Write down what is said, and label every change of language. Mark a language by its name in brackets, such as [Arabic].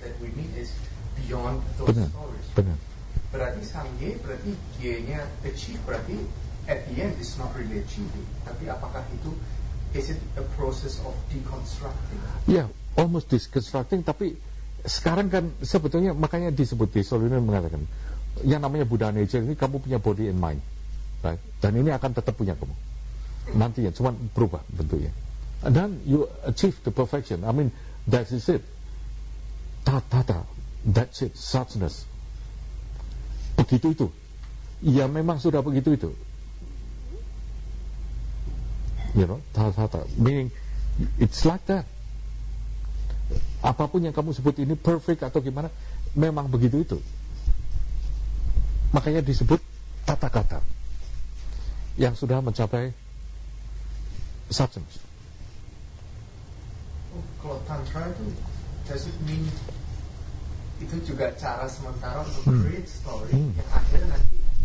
[English] that we need is beyond those stories. [Indonesian] Benar. [English] Berarti sangye, [Indonesian] berarti [English] g-nya achieve, berarti at the end is not really achieving. [Indonesian] Tapi apakah itu [English] is it a process of deconstructing? Yeah, almost deconstructing. [Indonesian] Tapi sekarang kan sebetulnya makanya disebut di Solinian mengatakan yang namanya Buddha nature ini kamu punya [English] body and mind, right? [Indonesian] Dan ini akan tetap punya kamu nantinya, cuma berubah bentuknya. [English] And then you achieve the perfection, I mean that is it, tatata, that's it, suchness, [Indonesian] begitu itu ya, memang sudah begitu itu, [English] you know, tatata meaning it's like that. [Indonesian] Apapun yang kamu sebut ini perfect atau gimana, memang begitu itu. Makanya disebut tata kata yang sudah mencapai substance. Oh, kalau tantra itu, [English] does it mean [Indonesian] itu juga cara sementara untuk [English] create story [Indonesian] yang akhirnya nanti?